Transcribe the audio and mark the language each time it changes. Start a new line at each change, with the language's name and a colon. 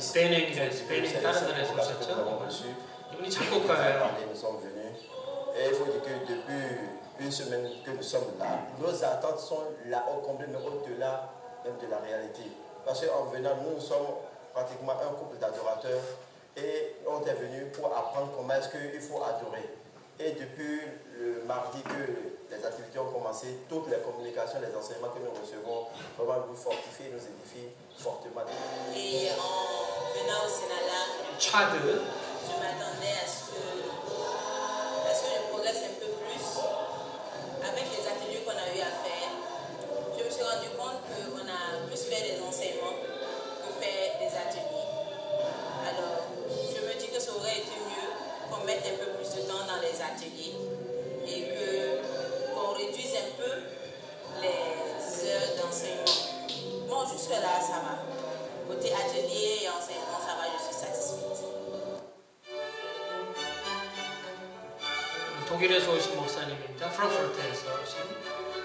Korean: 스페인에 스페인 다른 나라에서 오셨죠? 이분이 작곡가예요.
French: Et il faut dire que depuis une semaine que nous sommes là, nos attentes sont là au comble, mais au-delà même de la réalité. Parce qu'en venant, nous sommes pratiquement un couple d'adorateurs et on est venu pour apprendre comment est-ce qu'il faut adorer. Et depuis le mardi que les activités ont commencé, toutes les communications, les enseignements que nous recevons vraiment nous fortifient, nous édifient fortement. Et en venant au Sénala, Tchad, je m'attendais à ce que je progresse un peu plus avec les ateliers qu'on a eu à faire. Je me suis rendu compte qu'on a plus fait des enseignements que fait des ateliers. Alors, je me dis que ça aurait été mieux qu'on mette un peu plus de temps dans les ateliers et qu'on réduise un peu les heures d'enseignement. Bon, jusque-là, ça va. Côté atelier et enseignement, ça va, je suis satisfaite.
Korean: 독일에서 오신 목사님입니다. 프랑크푸르트에서 오신.